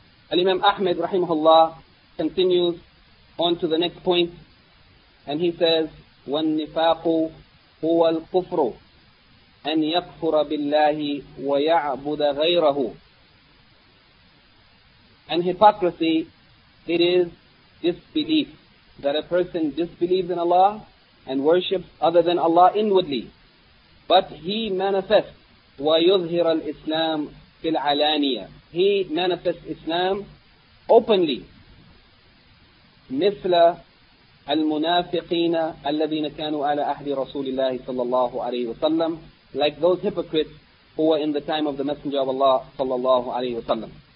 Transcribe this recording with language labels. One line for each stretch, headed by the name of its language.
English: Al-Imam Ahmed, rahimahullah, continues on to the next point, and he says,
Arabic: وَالنِّفَاقُ هُوَ الْكُفْرُ أَنْ يَكْفُرَ بِاللَّهِ وَيَعْبُدَ غَيْرَهُ.
English: And hypocrisy, it is disbelief, that a person disbelieves in Allah and worships other than Allah inwardly. But he manifests,
Arabic: وَيُظْهِرَ الْإِسْلَامِ فِي الْعَلَانِيَةِ.
English: He manifests Islam openly.
Arabic: مِثْلَ الْمُنَافِقِينَ الَّذِينَ كَانُوا عَلَى أَحْدِ رَسُولِ اللَّهِ صَلَّى اللَّهُ عَلَيْهِ وَسَلَّمْ.
English: Like those hypocrites who were in the time of the Messenger of Allah
Arabic: صلى الله عليه وسلم.